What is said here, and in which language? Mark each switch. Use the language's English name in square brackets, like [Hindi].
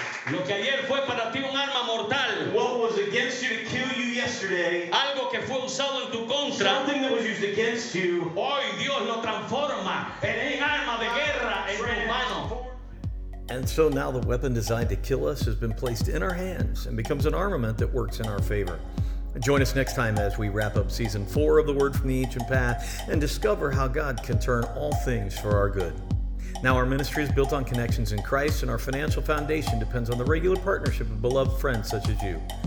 [Spanish] Lo que ayer fue para ti un arma mortal, [English] what was against you to kill you yesterday, [Spanish] algo que fue usado en tu contra, [English] something that was used against you, [Spanish] hoy Dios lo transforma en un arma de guerra en tu mano. [English] And so now the weapon designed to kill us has been placed in our hands and becomes an armament that works in our favor. Join us next time as we wrap up season 4 of The Word from the Ancient Path and discover how God can turn all things for our good. Now our ministry is built on connections in Christ, and our financial foundation depends on the regular partnership of beloved friends such as you.